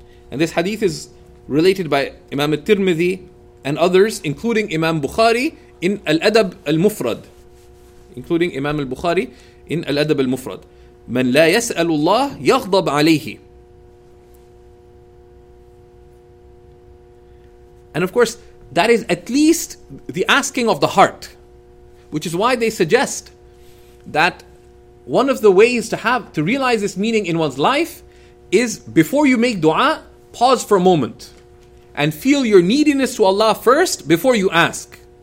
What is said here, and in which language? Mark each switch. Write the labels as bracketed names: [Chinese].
[English] And this hadith is related by Imam al-Tirmidhi and others, including Imam Bukhari in Al-Adab al-Mufrad. Including Imam al-Bukhari in Al-Adab al-Mufrad. [Arabic] من لا يسأل الله يغضب عليه. [English] And of course, that is at least the asking of the heart. Which is why they suggest that one of the ways to have to realize this meaning in one's life is before you make dua, pause for a moment and feel your neediness to Allah first before you ask.